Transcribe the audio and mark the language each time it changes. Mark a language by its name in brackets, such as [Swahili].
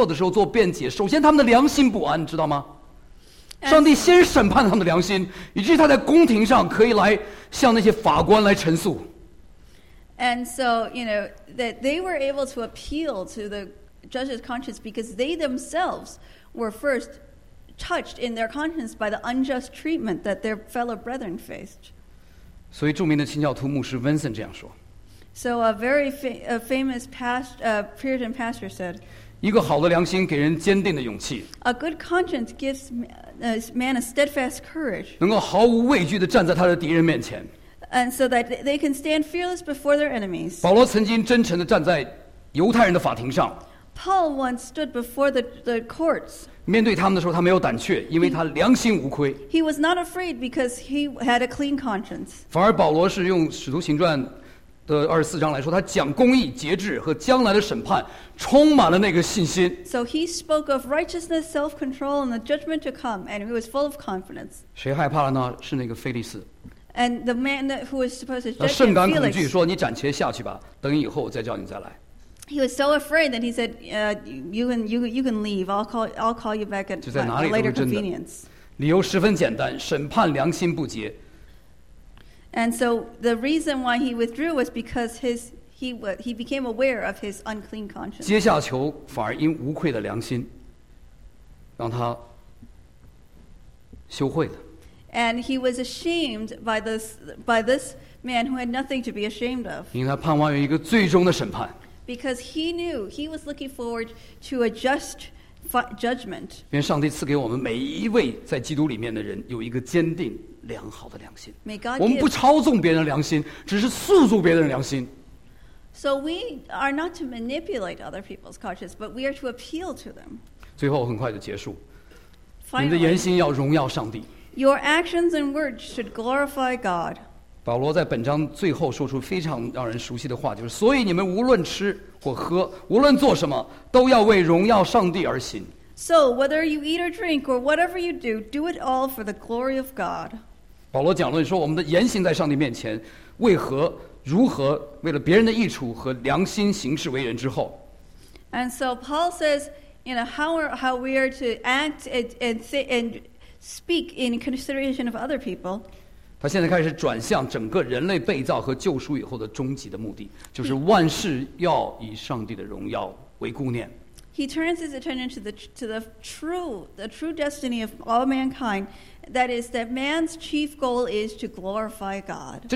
[Chinese] 所以基督徒，我觉得不光是他们在这个法庭上向法官的良心诉讼，他们之所以能够站出来为自己的信仰做辩解，为那些肢体受逼迫的时候做辩解，首先他们的良心不安，知道吗？上帝先审判他们的良心，以至于他在公庭上可以来向那些法官来陈述。 [English] And so, you know, that they were able to appeal to the judge's conscience because they themselves were first touched in their conscience by the unjust treatment that their fellow brethren faced. [Chinese] 所以著名的清教徒牧师 Vincent 这样说。 [English] So a very famous Puritan pastor said, [Chinese] 一个好的良心给人坚定的勇气。 [English] A good conscience gives man a steadfast courage. [Chinese] 能够毫无畏惧地站在他的敌人面前。 [English] And so that they can stand fearless before their enemies. [Chinese] 保罗曾经真诚地站在犹太人的法庭上。 [English] Paul once stood before the courts. [Chinese] 面对他们的时候，他没有胆怯，因为他良心无愧。 [English] He was not afraid because he had a clean conscience. [Chinese] 反而保罗是用《使徒行传》的二十四章来说，他讲公义、节制和将来的审判，充满了那个信心。 [English] So he spoke of righteousness, self-control, and the judgment to come, and he was full of confidence. [Chinese] 谁害怕了呢？是那个菲利斯。 [English] And the man that, who was supposed to judge [Chinese] Felix. 甚感恐惧，说你暂且下去吧，等以后再叫你再来。 [English] He was so afraid that he said, you can leave. I'll call you back at a later convenience." [Chinese] 理由十分简单，审判良心不洁。 [English] And so the reason why he withdrew was because he became aware of his unclean conscience. [Chinese] 阶下囚反而因无愧的良心，让他羞愧了。 [English] And he was ashamed by this man who had nothing to be ashamed of. [Chinese] 因为他盼望有一个最终的审判。 [English] Because he knew he was looking forward to a just judgment. [Chinese] 愿上帝赐给我们每一位在基督里面的人有一个坚定良好的良心。 [English] May God give. [Chinese] 我们不操纵别人的良心，只是塑造别人的良心。 [English] So we are not to manipulate other people's conscience, but we are to appeal to them. [Chinese] 最后很快就结束。 [English] Finally, [Chinese] 你的言行要荣耀上帝。 [English] Your actions and words should glorify God. [Chinese] 保罗在本章最后说出非常让人熟悉的话，就是所以你们无论吃或喝，无论做什么，都要为荣耀上帝而行。 [English] So whether you eat or drink or whatever you do, do it all for the glory of God. [Chinese] 保罗讲论说，我们的言行在上帝面前，为何、如何，为了别人的益处和良心行事为人之后。 [English] And so Paul says, you know, how we are to act and speak in consideration of other people. [Chinese] 他现在开始转向整个人类被造和救赎以后的终极的目的，就是万事要以上帝的荣耀为顾念。 [English] He turns his attention to the true destiny of all mankind, that is that man's chief goal is to glorify God.